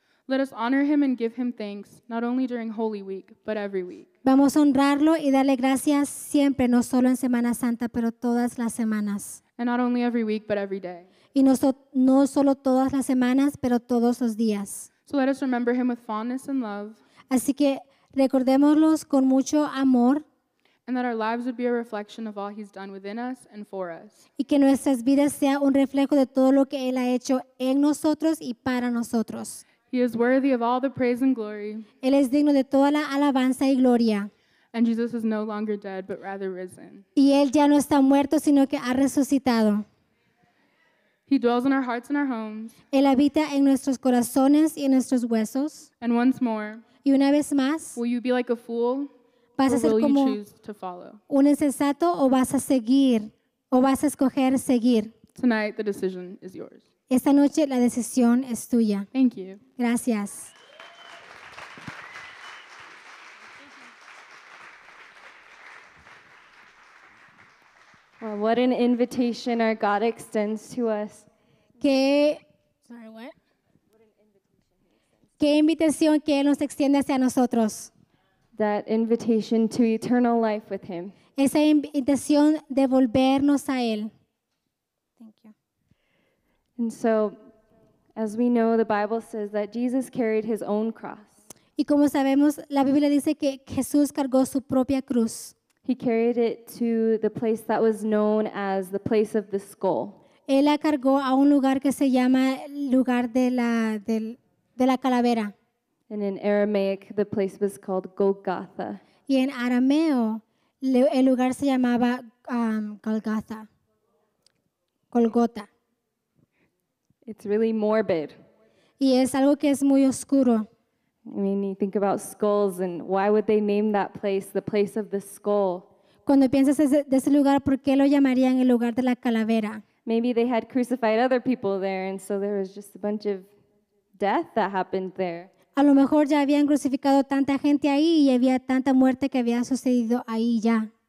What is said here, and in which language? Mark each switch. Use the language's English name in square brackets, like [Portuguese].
[English] Let us honor him and give him thanks, not only during Holy Week, but every week. [Spanish] Vamos a honrarlo y darle gracias siempre, no solo en Semana Santa, pero todas las semanas. [English] And not only every week, but every day. [Spanish] Y no solo todas las semanas, pero todos los días. [English] So let us remember him with fondness and love. [Spanish] Así que recordémoslos con mucho amor. [English] And that our lives would be a reflection of all he's done within us and for us. [Spanish] Y que nuestras vidas sea un reflejo de todo lo que él ha hecho en nosotros y para nosotros. [English] He is worthy of all the praise and glory. [Spanish] Él es digno de toda la alabanza y gloria. [English] And Jesus is no longer dead, but rather risen. [Spanish] Y él ya no está muerto, sino que ha resucitado. [English] He dwells in our hearts and our homes. [Spanish] Él habita en nuestros corazones y en nuestros huesos. [English] And once more, [Spanish] y una vez más, [English] will you be like a fool, [Spanish] vas a [English] or will [Spanish] ser como [English] you choose to follow? [Spanish] Un insensato, o vas a seguir, o vas a escoger seguir. [English] Tonight, the decision is yours. [Spanish] Esta noche la decisión es tuya. [English] Thank you. [Spanish] Gracias. [English] Well, what an invitation our God extends to us. [Spanish] Qué invitación que él nos extiende hacia nosotros. [English] That invitation to eternal life with him. [Spanish] Esa invitación de volvernos a él. [English] And so, as we know, the Bible says that Jesus carried his own cross. [Spanish] Y como sabemos, la Biblia dice que Jesús cargó su propia cruz. [English] He carried it to the place that was known as the place of the skull. [Spanish] Él la cargó a un lugar que se llama lugar de la calavera. [English] And in Aramaic, the place was called Golgotha. [Spanish] Y en arameo, el lugar se llamaba Golgotha. Golgotha. [English] It's really morbid. [Spanish] Y es algo que es muy oscuro. [English] I mean, you think about skulls, and why would they name that place the place of the skull? [Spanish] Cuando piensas de ese lugar, ¿por qué lo llamarían el lugar de la calavera? [English] Maybe they had crucified other people there, and so there was just a bunch of death that happened there. [Spanish] A lo mejor ya habían crucificado tanta gente ahí y había tanta muerte que había sucedido ahí ya.